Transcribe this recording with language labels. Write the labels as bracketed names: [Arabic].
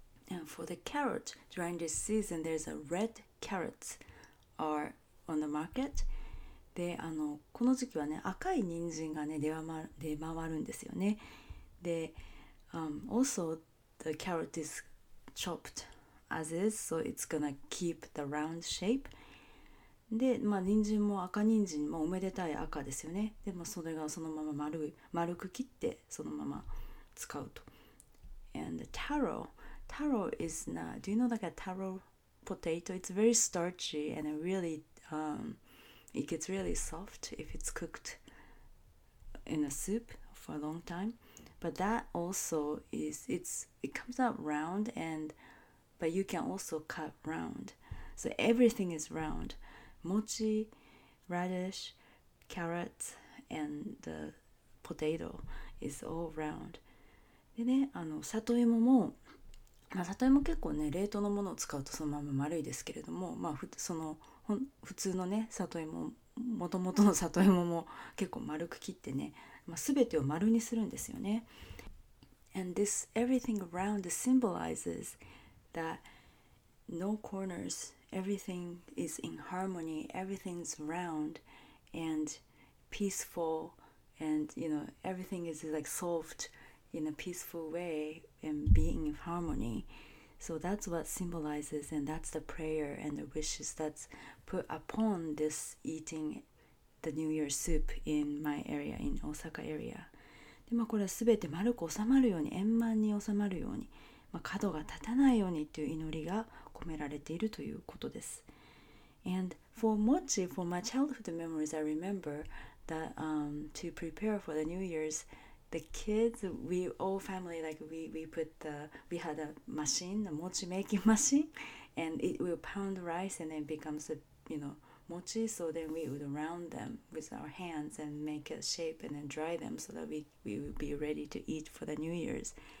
[English] And for the carrot, during this season, there's a red carrots are on the market. [Japanese] で、この時期はね、赤い人参がね、出回るんですよね。で、 [English] also the carrot is chopped as is, so it's gonna keep the round shape. [Japanese] で、まあ人参も赤人参もおめでたい赤ですよね。でもそれがそのまま丸く切ってそのまま使うと。 [English] And taro is not. Do you know like a taro potato? It's very starchy and really It gets really soft if it's cooked in a soup for a long time. But that also is, it comes out round, and but you can also cut round. So everything is round. Mochi, radish, carrot, and the potato is all round. [Japanese] でね、あの里芋も、まあ、里芋結構ね、冷凍のものを使うとそのまま丸いですけれども、まあ、普通のね、里芋、もともとの里芋も結構丸く切ってね、まあ、全てを丸にするんですよね。 [English] And this everything around symbolizes that no corners, everything is in harmony, everything's round and peaceful and you know, everything is like solved in a peaceful way and being in harmony. So that's what symbolizes and that's the prayer and the wishes that's put upon this eating the New Year soup in my area, in Osaka area. [Japanese] で、まあ、これは全て丸く収まるように、円満に収まるように、まあ、角が立たないようにという祈りが込められているということです。 [English] And for mochi, for my childhood memories, I remember that to prepare for the New Year's, the kids, we all family, like we had a machine, the mochi making machine, and it will pound rice and then becomes a, you know,mochi, so then we would round them with our hands and make a shape and then dry them so that we would be ready to eat for the New Year's.